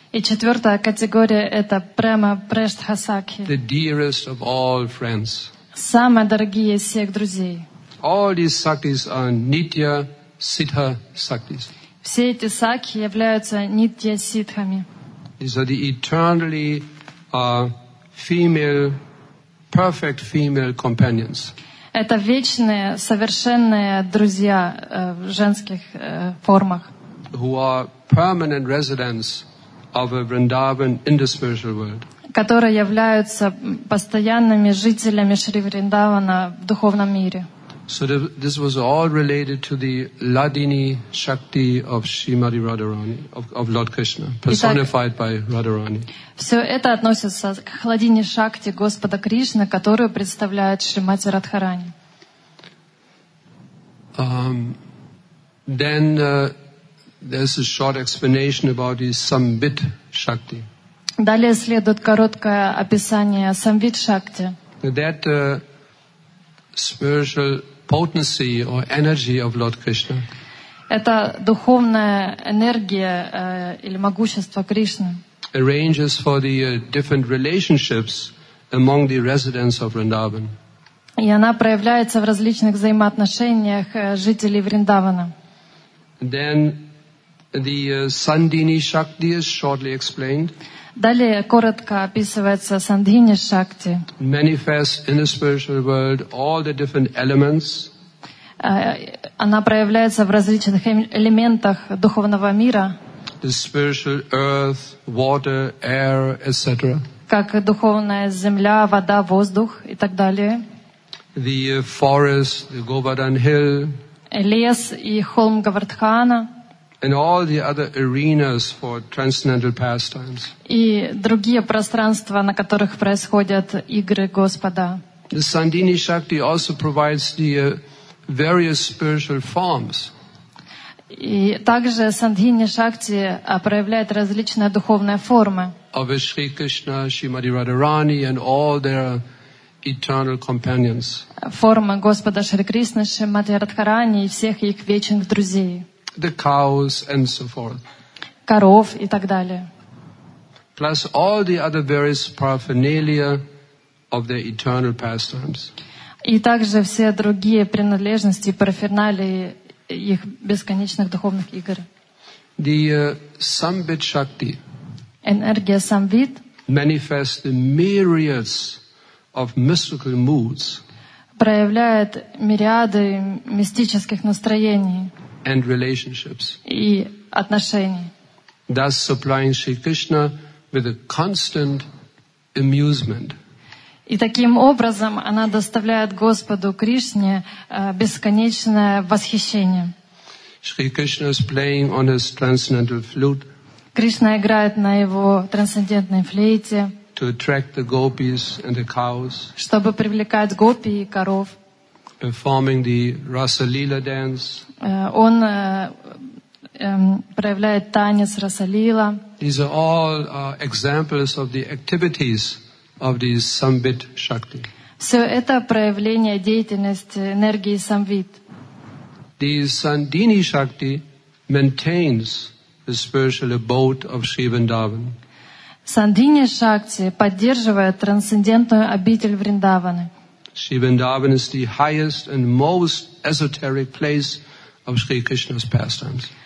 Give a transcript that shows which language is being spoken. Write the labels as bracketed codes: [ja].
[ru] И четвертая категория — это Prema Preshtha Sakhi. [en] The dearest of all friends. [ru] Самые дорогие из всех друзей. [en] All these sakis are nitya siddha sakis. [ru] Все эти сакхи являются нитья сиддхами. [en] These are the eternally female, perfect female companions. [ru] Это вечные, совершенные друзья в женских формах. [en] Who are permanent residents of a Vrindavan in the spiritual world. [ru] Которые являются постоянными жителями Шри Вриндавана в духовном мире. [en] So this was all related to the Ladini Shakti of Srimati Radharani, of Lord Krishna, personified by Radharani. [ru] Все это относится к Ладини Шакти Господа Кришны, которую представляет Шримати Радхарани. [en] Then there's a short explanation about the Samvit Shakti. [ru] Далее следует короткое описание Самвит Шакти. [en] That spiritual potency or energy of Lord Krishna. [ru] Это духовная энергия или могущество Кришны. [en] Arranges for the different relationships among the residents of Vrindavan. [ru] И она проявляется в различных взаимоотношениях жителей Вриндавана. [en] Then the Sandini Shakti is shortly explained. [ru] Далее коротко описывается Сандхини Шакти. [en] Manifest in the spiritual world all the different elements. [ru] Она проявляется в различных элементах духовного мира. [en] The spiritual earth, water, air, etc. [ru] Как духовная земля, вода, воздух и так далее. [en] The forest, the Govardhan Hill. [ru] Лес и холм Говардхана. [en] And all the other arenas for transcendental pastimes. [ru] И другие пространства, на которых происходят игры Господа. [en] The Sandini Shakti also provides the various spiritual forms. [ru] И также Сандхини Шакти проявляет различные духовные формы. [en] Of Shri Krishna, Srimati Radharani and all their eternal companions. [ru] Формы Господа Шри Кришны, Шримати Радхарани и всех их вечных друзей. [en] The cows and so forth. [ru] Коров и так далее. [en] Plus all the other various paraphernalia of their eternal pastimes. [ru] И также все другие принадлежности и параферналии их бесконечных духовных игр. [en] The Samvit Shakti. [ru] Энергия Самвит. [en] Manifests the myriads of mystical moods. [ru] Проявляет мириады мистических настроений. [en] And relationships. [ru] И отношений. [en] Thus supplying Shri Krishna with a constant amusement. [ru] И таким образом она доставляет Господу Кришне бесконечное восхищение. [en] Shri Krishna is playing on his transcendental flute. [ru] Кришна играет на его трансцендентной флейте. [en] To attract the gopis and the cows. [ru] Чтобы привлекать гопи и коров. [en] Performing the Rasa Lila dance. [ru] Он проявляет танец Раса Лила. [en] These are all examples of the activities of the Samvit Shakti. [ru] Все это проявление деятельности энергии самвит. [en] The Sandini Shakti maintains the spiritual abode of Sri Vrindavan. [ru] Сандини Шакти поддерживает трансцендентную обитель Вриндаваны. [en] Sri Vrindavan is the highest and most esoteric place of Sri Krishna's pastimes.